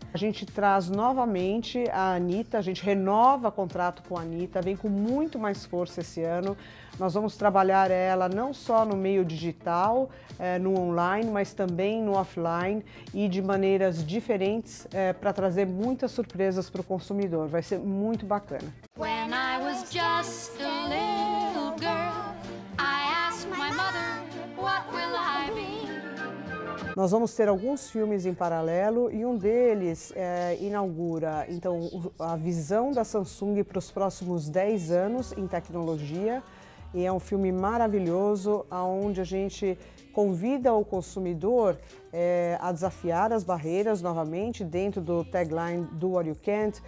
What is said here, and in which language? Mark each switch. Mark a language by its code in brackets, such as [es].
[pt] A gente traz novamente a Anitta, a gente renova contrato com a Anitta, vem com muito mais força esse ano. Nós vamos trabalhar ela não só no meio digital, no online, mas também no offline e de maneiras diferentes para trazer muitas surpresas para o consumidor. Vai ser muito bacana. [en] When I was just a little girl, I asked my mother, what will I be? [pt] Nós vamos ter alguns filmes em paralelo e um deles inaugura então, a visão da Samsung para os próximos 10 anos em tecnologia. E é um filme maravilhoso, onde a gente convida o consumidor a desafiar as barreiras novamente dentro do tagline Do What You Can't.